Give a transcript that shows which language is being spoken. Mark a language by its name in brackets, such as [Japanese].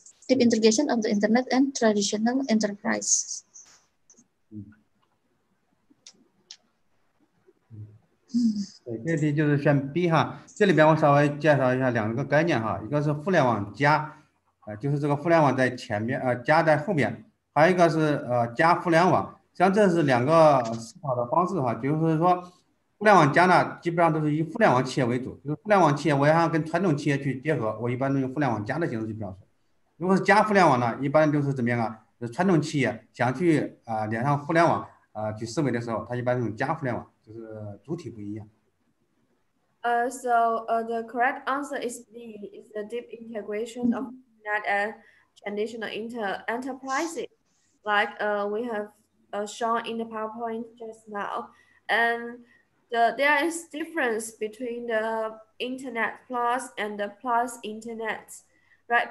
[English] Deep integration of the internet and traditional enterprise. [Chinese] 对，这题就是选 B 哈，这里边我稍微介绍一下两个概念哈，一个是互联网加，就是这个互联网在前面，加在后面，还有一个是加互联网，像这是两个思考的方式哈，就是说互联网加呢，基本上都是以互联网企业为主，就是互联网企业我想跟传统企业去结合，我一般都用互联网加的形式去表述。如果是加互联网呢，一般就是怎么样啊？就是传统企业想去连上互联网去思维的时候，它一般用加互联网。就是主体不一样。 [English] So the correct answer is D, is the deep integration of internet and traditional enterprises, like we have shown in the PowerPoint just now. And there is difference between the internet plus and the plus internet, right?